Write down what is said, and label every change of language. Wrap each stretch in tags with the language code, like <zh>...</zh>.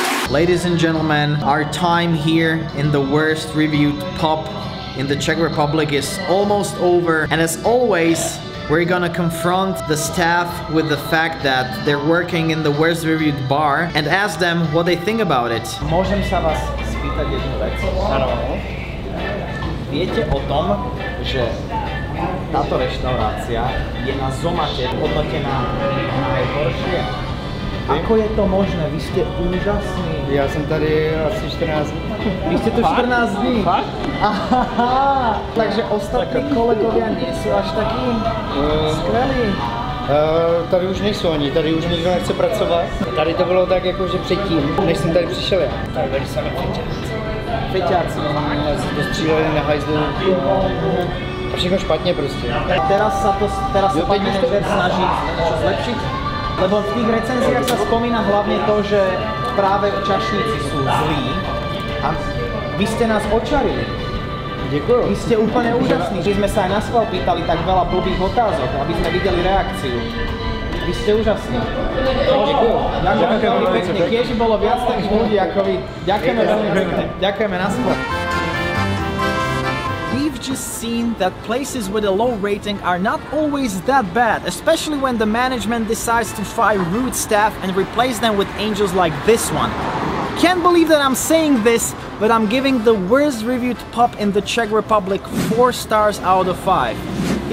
<en>Ladies and gentlemen, our time here in the worst reviewed pub in the Czech Republic is almost over. And as always, We're gonna confront the staff with the fact that they're working in the worst reviewed bar and ask them what they think about it.</en> <sk>Môžem sa vás spýtať jednu vec? Áno. Viete o tom, že táto reštaurácia je na Zomate hodnotená najhoršie? Ako je to možné? Vy ste úžasní.</sk> <cs>Ja som tady asi 14 dní.</cs> <sk>Vy ste tu 14 dní? Fakt? Aha, takže ostatní tak kolegovia nie sú až takí skvelí.</sk> <cs>Tady už nejsou ani,</cs> <sk>tady už nikto nechce pracovať. Tady to bolo tak, akože predtým, než som tady prišiel ja.</sk> <cs>Tady byli sami feťáci. Feťáci. Asi to střílali na hajzlu. A všechno špatne proste.</cs> <sk>Teraz sa to, teraz jo, sa pán manažer snaží čo zlepšiť? Lebo v tých recenziách sa spomína hlavne to, že práve čašníci sú zlí a vy ste nás očarili. Ďakujem. Vy ste úplne úžasní, že sme sa aj naschvál pýtali tak veľa blbých otázok, aby sme videli reakciu. Vy ste úžasní. Ďakujem. Ďakujem veľmi pekne. Tiež bolo viac takých ľudí ako vy. Ďakujem veľmi pekne. Ďakujeme, naschvál.</sk> <en>Just seen that places with a low rating are not always that bad, especially when the management decides to fire rude staff and replace them with angels like this one. Can't believe that I'm saying this, but I'm giving the worst reviewed pub in the Czech Republic 4 stars out of 5.</en>